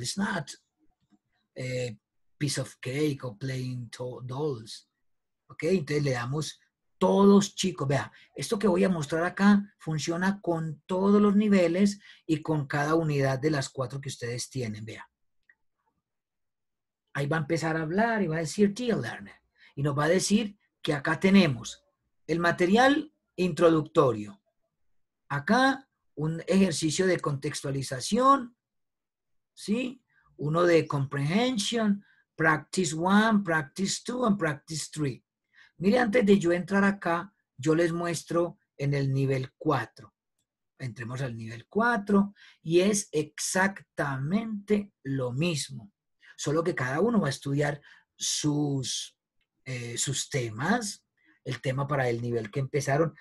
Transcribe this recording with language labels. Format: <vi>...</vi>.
<en>It's not piece of cake or playing dolls.</en> <es>Ok, entonces le damos todos chicos. Vea, esto que voy a mostrar acá funciona con todos los niveles y con cada unidad de las cuatro que ustedes tienen. Vea. Ahí va a empezar a hablar y va a decir</es> <en>Dear Learner.</en> <es>Y nos va a decir que acá tenemos el material introductorio. Acá un ejercicio de contextualización, ¿sí? Uno de</es> <en>comprehension, practice one, practice two, and practice three.</en> <es>Mire, antes de yo entrar acá, yo les muestro en el nivel 4. Entremos al nivel 4 y es exactamente lo mismo. Solo que cada uno va a estudiar sus temas, el tema para el nivel que empezaron.</es>